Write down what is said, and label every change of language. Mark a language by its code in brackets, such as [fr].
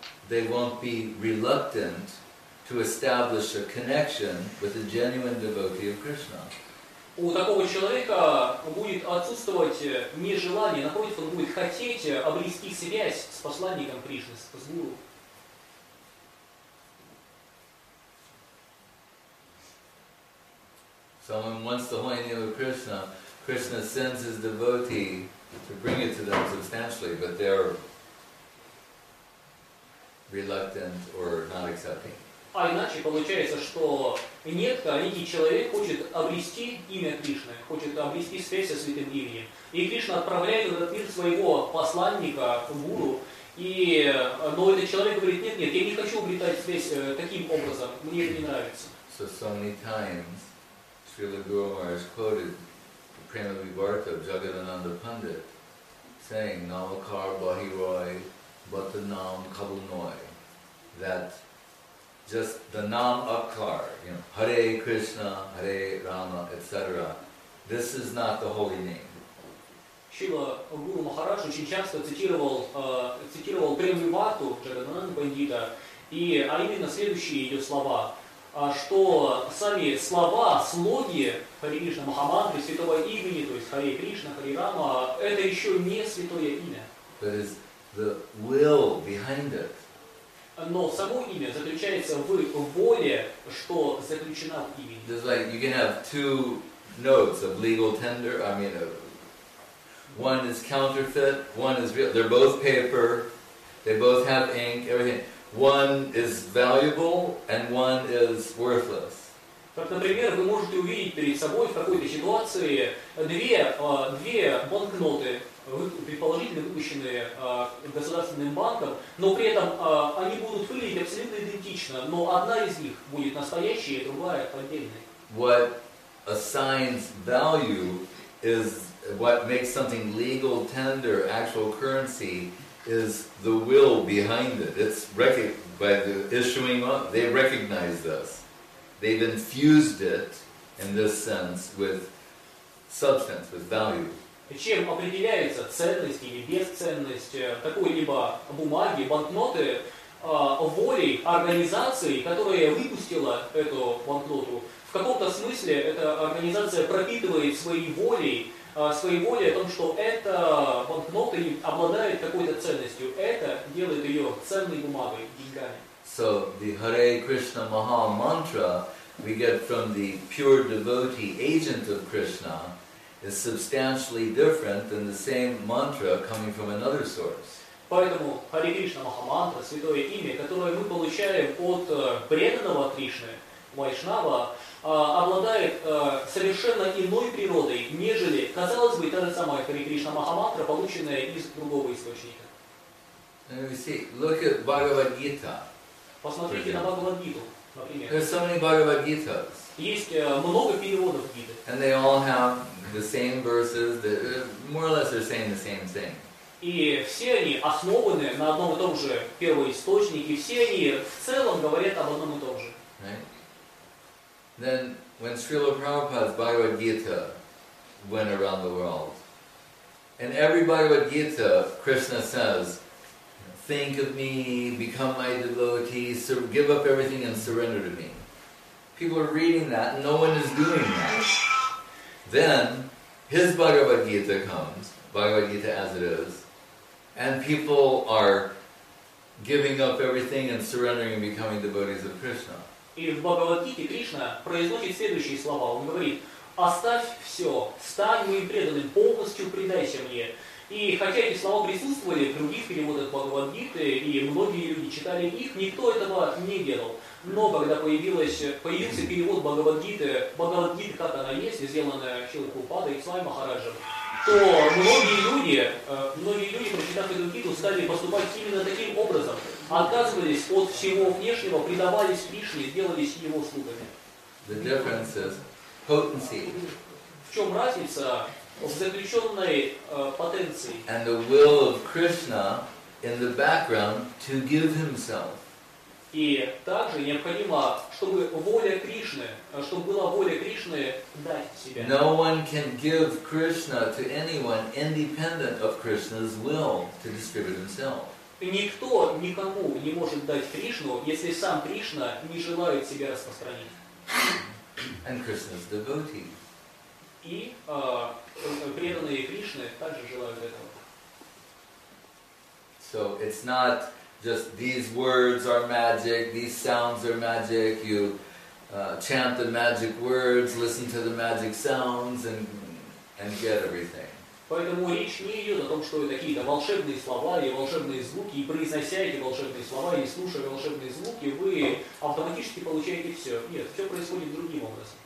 [en] They won't be reluctant to establish a connection with a genuine devotee of Krishna. [ru] У такого человека будет отсутствовать нежелание, напротив, он будет хотеть обрести связь с посланником Кришны, с Гуру. [en] Someone wants the holy name of Krishna, Krishna sends his devotee to bring it to them substantially, but they're reluctant or not accepting. [ru] А иначе получается, что некий человек хочет обрести имя Кришны, хочет обрести связь со святым именем. И Кришна отправляет в этот мир своего посланника, гуру, но этот человек говорит, нет, я не хочу обретать связь таким образом, мне это не нравится. [en] So, so many times Srila Guru Maharaj quoted the Prema Vibharata of Jagadananda Pandit saying, [sa] Namakar Bahirai Bhattanam Kabunoi, [en] that just the nam akkar, you know, Hare Krishna, Hare Rama, etc. This is not the holy name. [ru] Шрила Гуру Махарадж очень часто цитировал Прему Бхату, Джагадананда Пандита, и а именно следующие ее слова, что сами слова, слоги Хари Кришна Махамантры, святого имени, то есть Хари Кришна, Хари Рама, это еще не святое имя. [en] That is the will behind it. [ru] Но само имя заключается в воле, что заключено в имени. [en] It's like you can have two notes of legal tender. I mean, one is counterfeit, one is real. They're both paper, they both have ink, everything. one is valuable and one is worthless. [ru] Так, например, вы можете увидеть перед собой в какой-то ситуации две банкноты, предположительно выпущенные государственным банком, но при этом они будут выглядеть абсолютно идентично, но одна из них будет настоящей, другая поддельной. [en] What assigns value is what makes something legal tender, actual currency, is the will behind it. It's by the issuing of, they recognize this. They've infused it in this sense with substance, with value. [ru] Чем определяется ценность или бесценность какой-либо бумаги, банкноты, волей организации, которая выпустила эту банкноту? В каком-то смысле эта организация пропитывает своей волей о том, что эта банкнота обладает какой-то ценностью. Это делает ее ценной бумагой, деньгами. [en] So the Hare Krishna Maha Mantra we get from the pure devotee agent of Krishna is substantially different than the same mantra coming from another source. [ru] Поэтому Hare Krishna Maha Mantra, святое имя, которое мы получаем от преданного Кришны, Вайшнава, обладает совершенно иной природой, нежели, казалось бы, та же самая Hare Krishna Maha Mantra, полученная из другого источника. [en] Look at Bhagavad Gita. [ru] Посмотрите на Бхагавад Гиту, например. [en] There's so many Bhagavad Gitas. [ru] Есть много переводов Гиты. [en] And they all have the same verses, that more or less they're saying the same thing. [ru] И все они основаны на одном и том же первоисточнике, все они в целом говорят об одном и том же. [en] Then when Srila Prabhupada's Bhagavad Gita went around the world, in every Bhagavad Gita, Krishna says, think of me, become my devotee, give up everything and surrender to me. People are reading that, no one is doing that. Then his Bhagavad Gita comes, Bhagavad Gita as it is, and people are giving up everything and surrendering and becoming devotees of Krishna. [ru] И в Бхагавад-гите Кришна произносит следующие слова. Он говорит: «Оставь все, стань моим преданным, полностью предайся мне». И хотя эти слова присутствовали в других переводах Бхагавад-гиты, и многие люди читали их, никто этого не делал. Но когда появился перевод Бхагавад-гиты, Бхагавад-гита, как она есть, сделанная Шрилой Прабхупадой и Свами Махараджем, то многие люди, прочитав эту гиту, стали поступать именно таким образом. Отказывались от всего внешнего, предавались Кришне, сделались его слугами. [en] The difference is potency. [ru] В чем разница в заключенной потенции? [en] And the will of Krishna in the background to give himself. [ru] И также необходимо, чтобы воля Кришны, чтобы была воля Кришны дать себя. [en] No one can give Krishna to anyone independent of Krishna's will to distribute himself. [ru] Никто никому не может дать Кришну, если сам Кришна не желает себя распространить. [en] And Krishna's devotee. [ru] И преданные Кришны также желают этого. [en] So it's not just these words are magic, these sounds are magic, you chant the magic words, listen to the magic sounds and get everything. [ru] Поэтому речь не идет о том, что это какие-то волшебные слова или волшебные звуки, и произнося эти волшебные слова и слушая волшебные звуки, вы автоматически получаете все. Нет, все происходит другим образом.